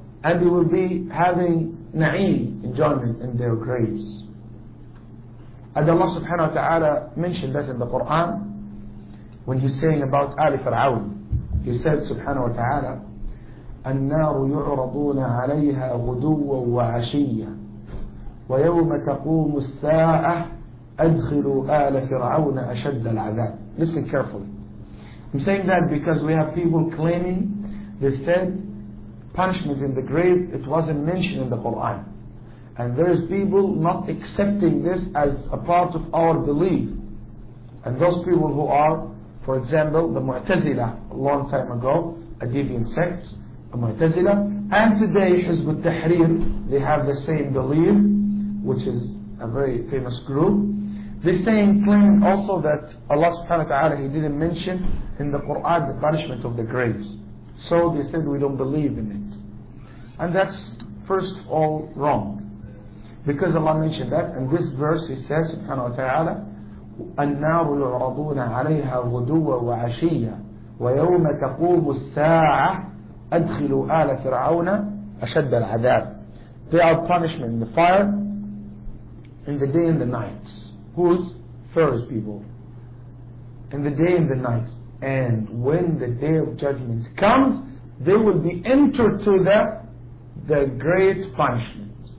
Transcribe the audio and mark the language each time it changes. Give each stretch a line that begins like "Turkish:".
English: And they will be having na'im, enjoyment in their graves. And Allah subhanahu wa ta'ala mentioned that in the Quran when He's saying about Ali Fir'aun. He said subhanahu wa ta'ala,
Arabic: النار يعرضون عليها غدوا وعشيا ويوم تقوم الساعة أدخلوا آل فرعون أشد العذاب.
English: Listen carefully. I'm saying that because we have people claiming, they said punishment in the grave, it wasn't mentioned in the Quran. And there is people not accepting this as a part of our belief. And those people who are For example, the Mu'tazila, a long time ago, a deviant sect, the Mu'tazila, and today Hizb al-Tahrir, they have the same belief, which is a very famous group. The same claim also that Allah subhanahu wa ta'ala, He didn't mention in the Quran the punishment of the graves. So they said we don't believe in it. And that's first of all wrong. Because Allah mentioned that, and this verse He says, subhanahu wa ta'ala,
Arabic: النار يعرضون عليها غدوا وعشيا ويوم تقوم الساعة أدخلوا آل فرعون أشد العذاب.
English: They are punishment in the fire in the day and the night. Who's Pharaoh's people? In the day and the night. And when the day of judgment comes, they will be entered to the great punishment.